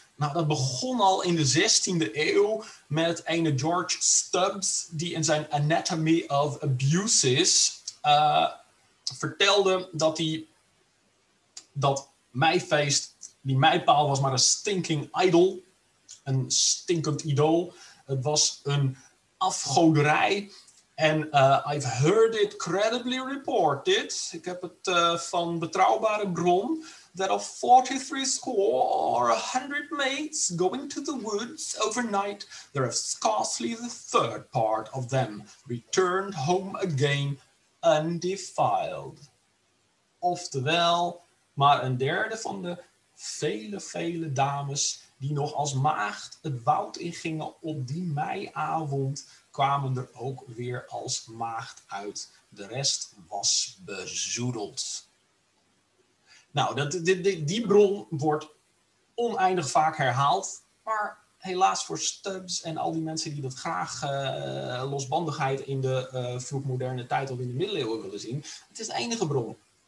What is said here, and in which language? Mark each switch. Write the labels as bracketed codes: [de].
[nl] Nou, dat begon al in de 16e eeuw met ene George Stubbs, die in zijn Anatomy of Abuses vertelde dat hij dat meifeest, die meipaal was maar een [en] stinking idol, [nl] een stinkend idool. Het was een afgoderij. [en] En I've heard it credibly reported. [nl] Ik heb het van betrouwbare bron. [en] That of 43 score or 100 maids going to the woods overnight, there have scarcely the third part of them returned home again undefiled. [nl] Oftewel, maar een derde van de vele, vele dames die nog als maagd het woud ingingen op die meiavond, kwamen er ook weer als maagd uit. De rest was bezoedeld. Nou, die bron wordt oneindig vaak herhaald, maar helaas voor Stubbs en al die mensen die dat graag losbandigheid in de vroegmoderne tijd of in de middeleeuwen willen zien, het is de enige bron.